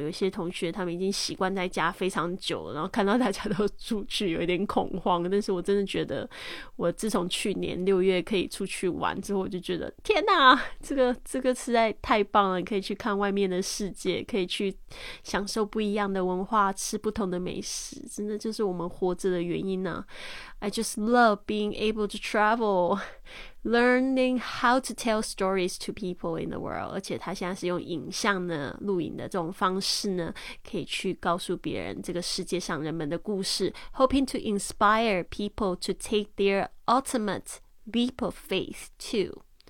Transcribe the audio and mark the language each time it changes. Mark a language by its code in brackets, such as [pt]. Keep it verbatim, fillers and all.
[zh] 有些同学他们已经习惯在家非常久了，然后看到大家都出去有一点恐慌，但是我真的觉得我自从去年六月可以出去玩之后，我就觉得天哪，这个这个实在太棒了，你可以去看外面的世界，可以去享受不一样的文化，吃不同的美食，真的就是我们活着的原因啊。 [en] I just love being able to travel, learning how to tell stories to people in the world. [zh] 而且他现在是用影像呢，录影的这种方式呢，可以去告诉别人这个世界上人们的故事。 [en] Hoping to inspire people to take their ultimate leap of faith too.